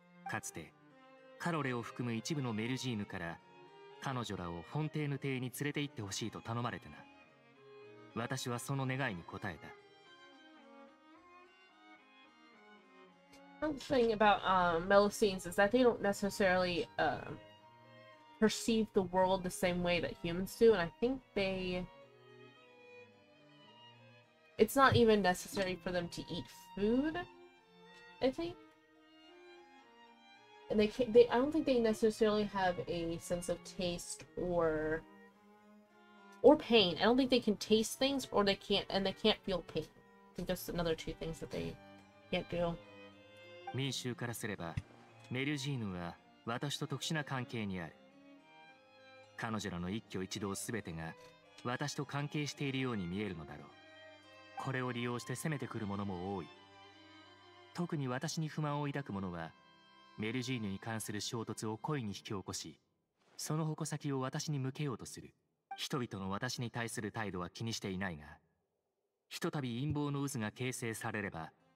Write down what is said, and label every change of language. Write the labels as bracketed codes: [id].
[ja] かつてカロレを含む一部のメルジーヌから彼女らをフォンテーヌ邸に連れて行ってほしいと頼まれてな。私はその願いに応えた。 [en] One thing about Melusines is that they don't necessarily perceive the world the same way that humans do, and I think they... It's not even necessary for them to eat food, I think. And I don't think they necessarily have a sense of taste or pain. I don't think they can taste things, or they can't, and they can't feel pain. I think that's another two things that they can't do. [ja] 民衆からすれば、メルジーヌは私と特殊な関係にある。彼女らの一挙一動すべてが私と関係しているように見えるのだろう。これを利用して攻めてくる者も多い。特に私に不満を抱く者は、メルジーヌに関する衝突を故意に引き起こし、その矛先を私に向けようとする。人々の私に対する態度は気にしていないが、ひとたび陰謀の渦が形成されれば、